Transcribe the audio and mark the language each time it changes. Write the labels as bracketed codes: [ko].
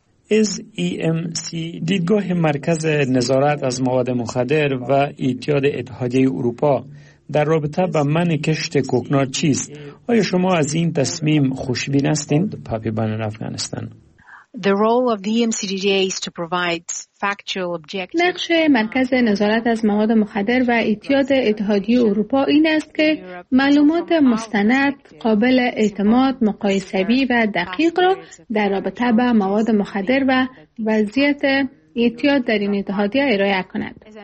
[fa] از EMC دیدگاه مرکز نظارت از مواد مخدر و ایتیاد اتحادیه اروپا در رابطه با منع کشت کوکنار چیست؟ آیا شما از این تصمیم خوشبین هستید؟ [en] پاپی بانن Afghanistan. The role of the EMCDDA is to provide factual objective. [fa] نقش مرکز نظارت از مواد مخدر و ایتیاد اتحادیه اروپا این است که معلومات مستند، قابل اعتماد، مقایسه‌ای و دقیق را در رابطه با مواد مخدر و وضعیت ایتیاد در این اتحادیه ارائه کند.